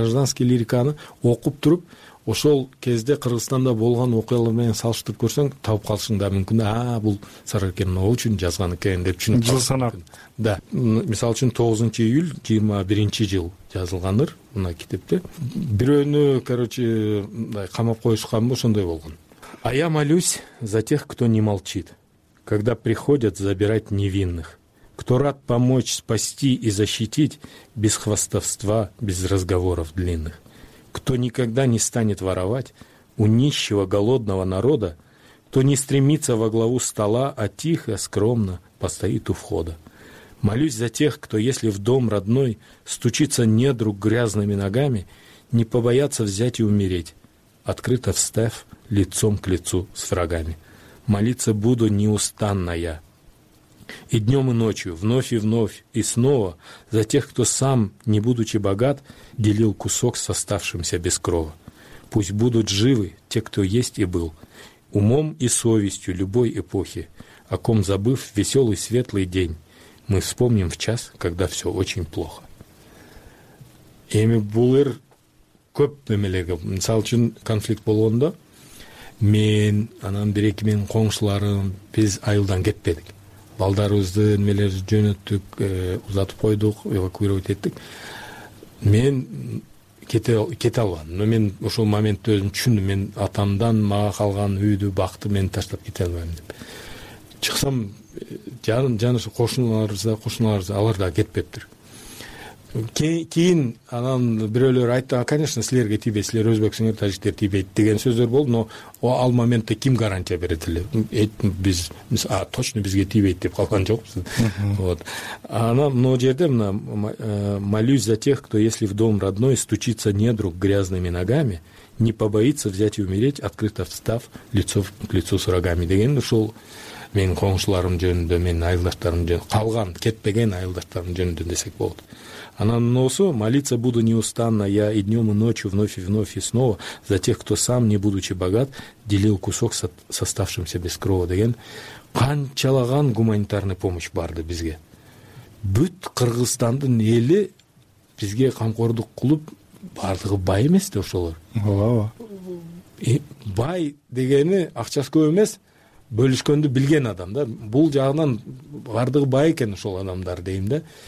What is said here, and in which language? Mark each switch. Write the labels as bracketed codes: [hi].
[ky] Гражданский лириканы окуп туруп, ошол кезде Кыргызстанда болгон окуялар менен салыштырып көрсөң, таап калышың да мүмкүн. Бул Сарыкен мына үчүн жазган экен деп түшүнүп жыл санап. Да. Мисалы үчүн 9 июль 2021 жыл жазылган ыр мына китепте. Бирөөнү, мындай камап коюшканбы, ошондой болгон. [ru] А я молюсь за тех, кто не молчит, когда приходят забирать невинных, кто рад помочь, спасти и защитить без хвастовства, без разговоров длинных, кто никогда не станет воровать у нищего, голодного народа, кто не стремится во главу стола, а тихо, скромно постоит у входа. Молюсь за тех, кто, если в дом родной стучится недруг грязными ногами, не побояться взять и умереть, открыто встав лицом к лицу с врагами. Молиться буду неустанно я. И днем, и ночью, вновь и вновь, и снова, за тех, кто сам, не будучи богат, делил кусок с оставшимся без крова. Пусть будут живы те, кто есть и был, Умом и совестью любой эпохи, о ком забыв веселый светлый день, мы вспомним в час, когда все очень плохо. [ky] Эми булыр көп немелеге. Мисал үчүн конфликт болгондо, мен, анан бир эки менин коңшуларым, биз айылдан кетпедик. Балдарыбызды немелер жөнөттүк, узатып койдук, эвакуировать эттик. Мен кете албадым. Но мен ошол моментте өзүм түшүндүм. Мен атамдан мага калган үйдү, бакты мен таштап кете албайм деп. Чыксам, жанышы кошуналарыбызда, алар да кетпептир. Кийин анан бирөөлөр айтты, конечно, силерге тийбейт, силер өзбексиңер, тажиктер тийбейт деген сөздөр болду, но ал моментте ким гарантия берет эле? Биз точно бизге тийбейт деп калган жокпуз. Вот. Анан мына жерде мына [ru] молюсь за тех, кто, если в дом родной стучится недруг грязными ногами, не побоится взять и умереть, открыто встав лицо к лицу с врагами [ky] деген ушул. Менин коңшуларым жөнүндө, менин айылдаштарым жөнүндө, калган, кетпеген айылдаштарым жөнүндө десек болот. Анан мынусу, [ru] молиться буду неустанно я и днем, и ночью, вновь и вновь, и снова за тех, кто сам, не будучи богат, делил кусок с оставшимся без крова деген. [ky] Канчалаган гуманитарный помощь барды бизге. Бүт Кыргызстандын эли бизге камкордук кылып, бардыгы бай эмес да ошолор. Ооба. Бай дегени акчасы көп эмес. Бөлүшкөндү билген адам да. Бул жагынан бардыгы бай экен ошол адамдар дейм да.